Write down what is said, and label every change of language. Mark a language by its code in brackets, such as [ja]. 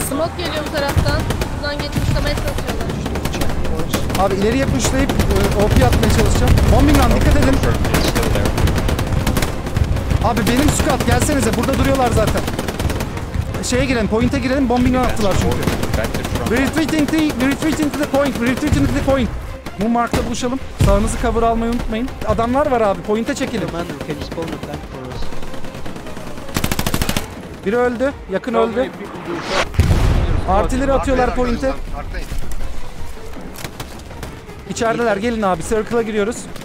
[tr] Smoke geliyor bu taraftan. Buradan geçip kuşlamaya çalışıyorlar. Abi ileriye kuşlayıp OP atmaya çalışacağım. Bombing lan dikkat edin. Abi benim scout gelsenize. Burada duruyorlar zaten. Şeye girelim, point'e girelim, bombing'e attılar çünkü. [en] We're retreating to the point. [tr] Bu mark'ta buluşalım. Sağınızı cover almayı unutmayın. Adamlar var abi, point'e çekelim. Biri öldü, yakın öldü. Artileri atıyorlar point'e. İçerideler, gelin abi, circle'a giriyoruz.